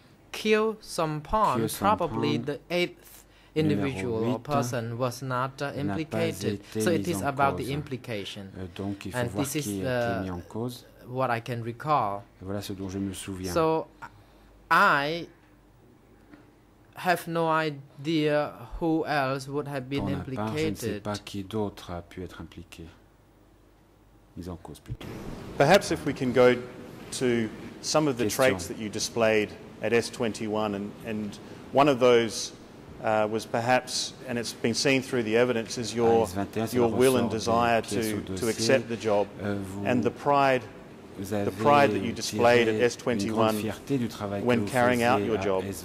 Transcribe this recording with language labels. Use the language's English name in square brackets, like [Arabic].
[English] Kyo Sompon, probably the eighth individual or person, was not implicated. So it is about the implication. And this is what I can recall. [French] Voilà ce dont je me souviens. [English] So I have no idea who else would have been implicated. [French] Je ne sais pas qui d'autre a pu être impliqué. Mis en cause plutôt. [English] Perhaps if we can go to some of the traits that you displayed at S21, and one of those was perhaps, and it's been seen through the evidence, is your will and desire to accept the job, and the pride that you displayed at S21 when carrying out your job.